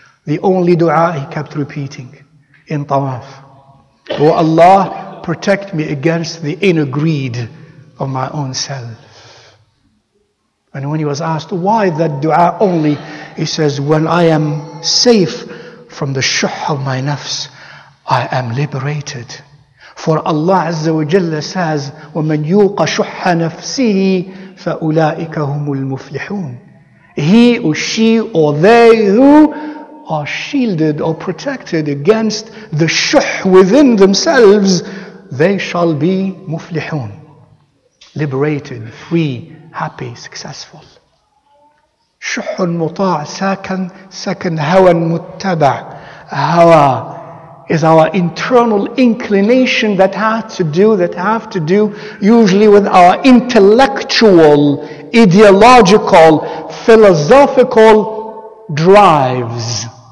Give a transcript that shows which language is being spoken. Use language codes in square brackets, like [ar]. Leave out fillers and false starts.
[en] The only dua he kept repeating in tawaf. Oh Allah, protect me against the inner greed of my own self. And when he was asked why that dua only, he says, when I am safe from the shuh of my nafs, I am liberated. For Allah Azza wa Jalla says, [ar] وَمَنْ يُوقَ شُحَّ نَفْسِهِ فَأُولَٰئِكَ هُمُ الْمُفْلِحُونَ. [en] He or she or they who are shielded or protected against the shuh within themselves, they shall be muflihun. Liberated, free, happy, successful. [ar] شح مطاع. Second, هوى متبع. [en] هوى is our internal inclination that has to do, usually with our intellectual, ideological, philosophical drives.